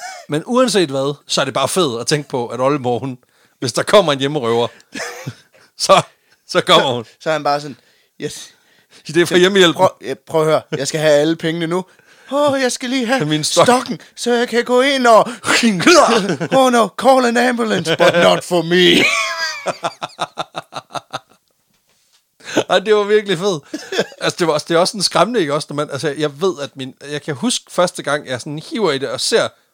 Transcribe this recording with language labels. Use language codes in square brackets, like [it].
[da] Men uanset hvad, så er det bare fedt at tænke på, at oldemor, hun, hvis der kommer en hjemmerøver, så, Så kommer hun. Så er han bare sådan, yes. I det er for hjemmehjælpen. Prøv at høre, jeg skal have alle pengene nu. Jeg skal lige have min stokken, så jeg kan gå ind og... [en] Oh no, call an ambulance, but not for me. [da] Ej, det var virkelig fed. Altså, det, var også, det er også en skræmmende, ikke også? Når man, altså, jeg ved, at min... Jeg kan huske første gang, jeg sådan hiver i det og ser...